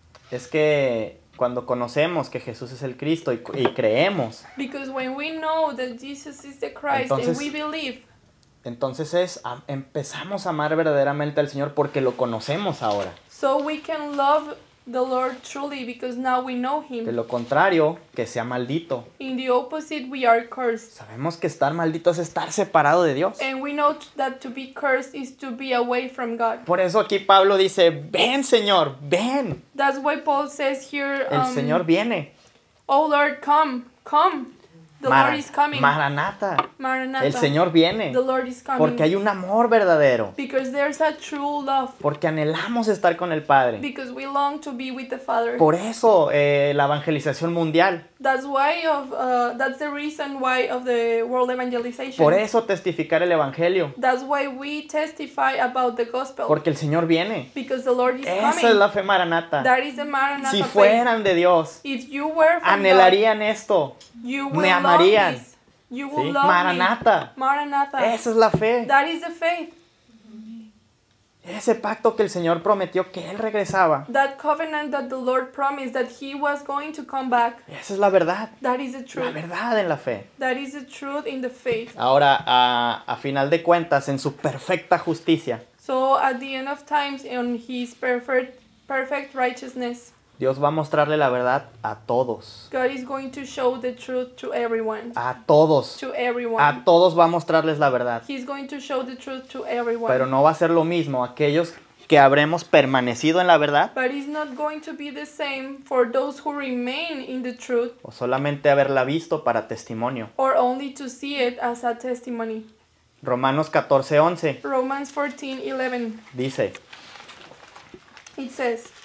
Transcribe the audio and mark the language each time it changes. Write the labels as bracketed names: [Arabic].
[Spanish] Es que cuando conocemos que Jesús es el Cristo y creemos. [English] Because when we know that Jesus is the Christ, entonces, and we believe. [Spanish] Entonces empezamos a amar verdaderamente al Señor porque lo conocemos ahora. [English] So we can love the Lord truly because now we know him. [Spanish] De lo contrario, que sea maldito. [English] In the opposite, we are cursed. [Spanish] Sabemos que estar maldito es estar separado de Dios. [English] And we know that to be cursed is to be away from God. [Spanish] Por eso aquí Pablo dice, ven, Señor, ven. [English] That's why Paul says here, [Spanish] el Señor viene. [English] Oh Lord, come, come. Lord is coming. [Spanish] Maranatha. [English] Maranatha. [Spanish] El Señor viene. [English] The Lord is coming. [Spanish] Porque hay un amor verdadero. [English] Because there's a true love. [Spanish] Porque anhelamos estar con el Padre. [English] Because we long to be with the Father. [Spanish] Por eso la evangelización mundial. [English] That's the reason why of the world evangelization. [Spanish] Por eso testificar el Evangelio. [English] That's why we testify about the gospel. [Spanish] Porque el Señor viene. [English] Because the Lord is [Spanish] Esa [English] coming. [Spanish] Esa es la fe Maranatha. [English] That is the Maranatha. [Spanish] Si fueran De Dios. [English] If you were from [Spanish] anhelarían [English] God, [Spanish] esto. [English] You will [Spanish] me [English] love [Spanish] amarían. [English] You will ¿Sí? love [Spanish] Maranatha. [English] Me. Maranatha. [Spanish] Esa es la fe. [English] That is the faith. [Spanish] Ese pacto que el Señor prometió que Él regresaba. [English] That covenant that the Lord promised that He was going to come back. [Spanish] Esa es la verdad. [English] That is the truth. [Spanish] La verdad en la fe. [English] That is the truth in the faith. [Spanish] Ahora, a final de cuentas, en su perfecta justicia. [English] So, at the end of times, in His perfect righteousness. [Spanish] Dios va a mostrarle la verdad a todos. [English] God is going to show the truth to everyone. [Spanish] A todos. [English] To everyone. [Spanish] A todos va a mostrarles la verdad. [English] He's going to show the truth to everyone. [Spanish] Pero no va a ser lo mismo aquellos que habremos permanecido en la verdad. [English] But it's not going to be the same for those who remain in the truth. [Spanish] O solamente haberla visto para testimonio. [English] Or only to see it as a testimony. [Spanish] Romanos 14:11. [English] Romans 14:11. [Spanish] Dice. [English] It says.